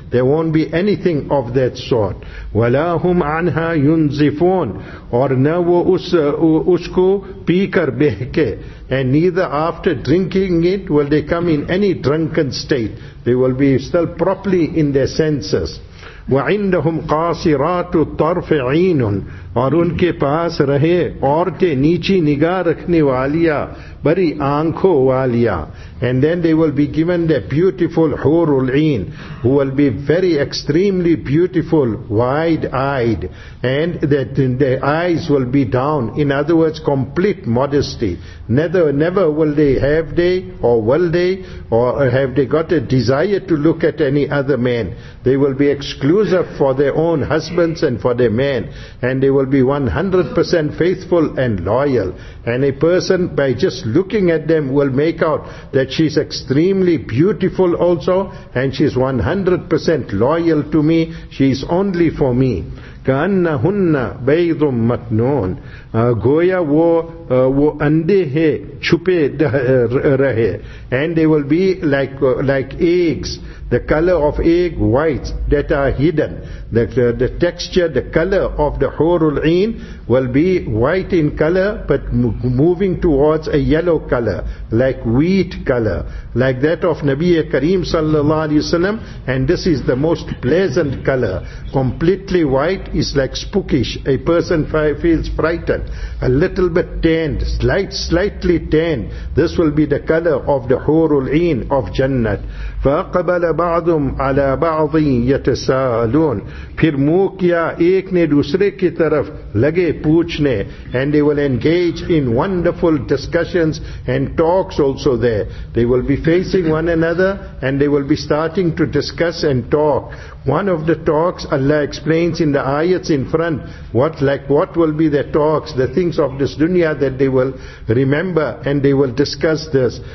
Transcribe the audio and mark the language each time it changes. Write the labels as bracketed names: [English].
[English] There won't be anything of that sort. [Arabic] وَلَا هُمْ عَنْهَا يُنزِفُونَ [Urdu] اور نَا وُسْكُ پِيكَرْ بِهْكَ. [English] And neither after drinking it will they come in any drunken state. They will be still properly in their senses. [Arabic] وَعِنْدَهُمْ قَاسِرَاتُ طَرْفِ عِينٌ. [Urdu] اور ان کے پاس رہے عورتیں نیچی نگاہ رکھنے والیاں بری آنکھوں والیاں. [English] And then they will be given the beautiful Hurul Een, who will be very extremely beautiful, wide-eyed, and that the eyes will be down. In other words, complete modesty. Never will they have they, or will they, or have they got a desire to look at any other man. They will be exclusive for their own husbands and for their men, and they will be 100% faithful and loyal. And a person, by just looking at them, will make out that she's extremely beautiful also, and she's 100% loyal to me. She's only for me. [Arabic] كَأَنَّهُنَّ بَيْضٌ مَكْنُونَ. [Urdu] گویا وہ اندے ہیں چھپے رہے. [English] And they will be like eggs. The color of egg whites that are hidden. The texture, the color of the Hurul Een will be white in color, but moving towards a yellow color, like wheat color, like that of Nabi Kareem sallallahu alayhi wa sallam. And this is the most pleasant color. Completely white is like spookish. A person feels frightened. A little bit tanned, slightly tanned. This will be the color of the Hurul Een of Jannat. [Arabic] فَأَقْبَلَ بَعْضُمْ عَلَى بَعْضٍ يَتَسَاءَلُونَ. [Urdu] پھر منہ کیا ایک نے دوسرے کی طرف لگے پوچھنے. [English] And they will engage in wonderful discussions and talks also there. They will be facing one another and they will be starting to discuss and talk. One of the talks, Allah explains in the ayats in front, what will be their talks, the things of this dunya that they will remember, and they will discuss this.